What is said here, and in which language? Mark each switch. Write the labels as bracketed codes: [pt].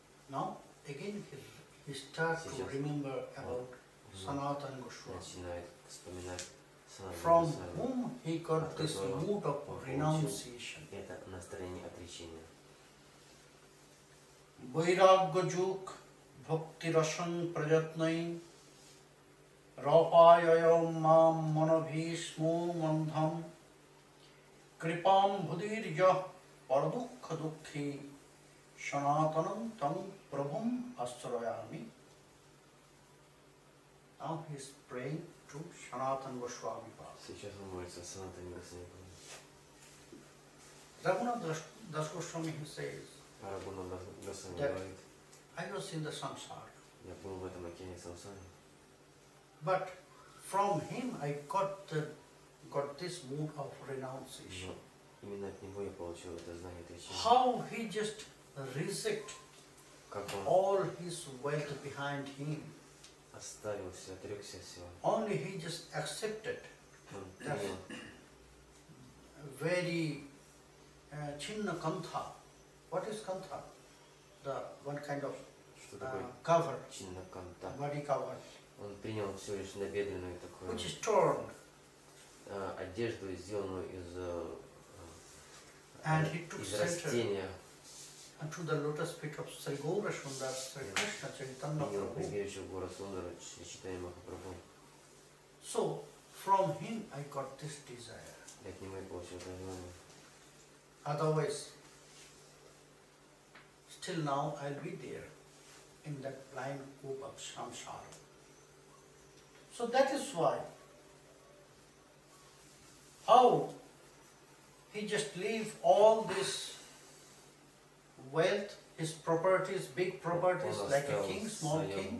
[en] Now, again, he starts to remember about Sanatana Goswami. From whom he got this mood of renunciation. [ru] Это настроение отречения. [sa] Vairagya juk bhakti rasan prayatnai rapayaya mam manabhismo mandham kripam bhudirya paradukha dukhi sanatanam tam prabhum asrayami. [en] Now he is praying to Sanatana Goswami. [ru] Сейчас он молится Санатане Госвами. [en] Raghunath Das Goswami, he says, that I was in the samsara. [ru] Я был в этом океане самсары. [en] But from him I got this mood of renunciation. [ru] Именно от него я получил это знание отречения. [en] How he just reject all his wealth behind him. [ru] Оставился, отрекся всего. [en] Only he just accepted that very chinna kantha. What is kantha? The one kind of cover. Chinna kantha. Body cover. [ru] Он принял всего лишь набедренную такую. [en] Which is torn. [ru] Одежду, сделанную из [en] and he took [ru] из растения. [en] And to the lotus feet of Sri Gaura Sundara, Sri Krishna Chaitanya Prabhu. [ru] Принял прибежище Гора Сундара, Чайтанья Махапрабху. [en] So, from him I got this desire. [ru] Я к нему и получил это желание. [en] Otherwise, still now I'll be there in that blind group of samsara. So that is why, how he just leave all this wealth, his properties, big properties, like a king, small king,